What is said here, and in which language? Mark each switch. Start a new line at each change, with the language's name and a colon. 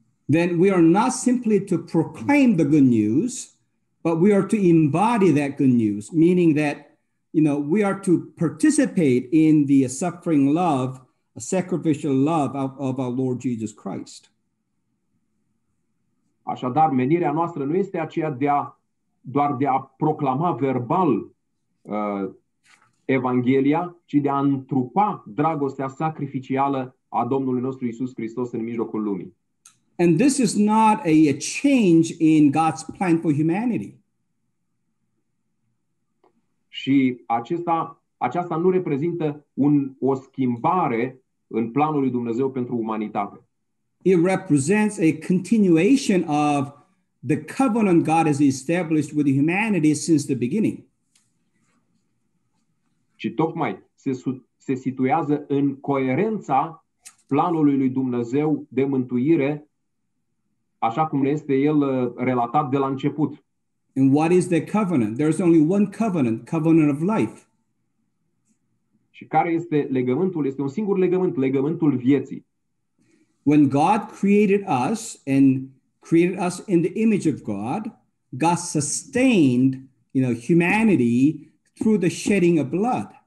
English: Then we are not simply to proclaim the good news, but we are to embody that good news, meaning that, you know, we are to participate in the suffering love, a sacrificial love of our Lord Jesus Christ.
Romanian: Așadar, menirea noastră nu este aceea de a proclama verbal Evanghelia, ci de a întrupa dragostea sacrificială a Domnului nostru Iisus Hristos în mijlocul lumii.
English: And this is not a change in God's plan for humanity.
Romanian: Și aceasta nu reprezintă o schimbare în planul lui Dumnezeu pentru umanitate.
English: It represents a continuation of the covenant God has established with humanity since the beginning.
Romanian: Și tocmai se situează în coerența planului lui Dumnezeu de mântuire așa cum ne este el relatat de la început.
English: And what is the covenant? There's only one covenant, covenant of life.
Romanian: Și care este legământul? Este un singur legământ, legământul vieții.
English: When God created us and created us in the image of God, God sustained, you know, humanity through the shedding of blood.